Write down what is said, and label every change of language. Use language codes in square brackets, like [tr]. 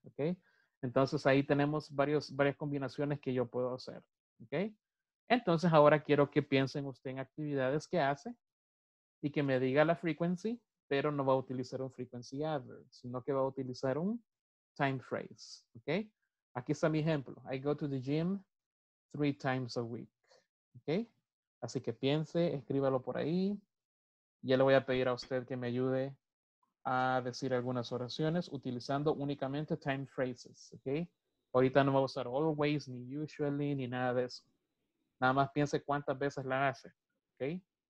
[es] Okay, entonces ahí tenemos varias combinaciones que yo puedo hacer. Okay, entonces ahora quiero que piensen usted en actividades que hace y que me diga la frequency, pero no va a utilizar un frequency adverb, sino que va a utilizar un time phrase. Okay, aquí está mi ejemplo. [en] I go to the gym 3 times a week. [es] Okay, así que piense, escríbalo por ahí. Ya le voy a pedir a usted que me ayude a decir algunas oraciones utilizando únicamente time phrases, ¿ok? Ahorita no va a usar always, ni usually, ni nada de eso. Nada más piense cuántas veces la hace, ¿ok?